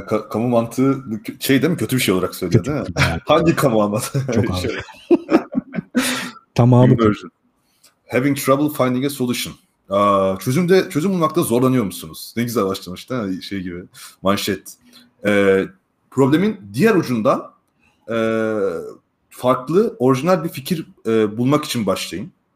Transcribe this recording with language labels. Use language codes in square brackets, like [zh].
[tr] Kamu mantığı şey değil mi? Kötü bir şey olarak söylüyor değil mi? Yani. Hangi kamu mantığı? Çok ağır. Tamamı. Immersion. [en] Having trouble finding a solution. [tr] Çözüm bulmakta zorlanıyor musunuz? Ne güzel başlamış değil mi? Şey gibi. Manşet. Problemin diğer ucunda farklı, orijinal bir fikir bulmak için başlayın.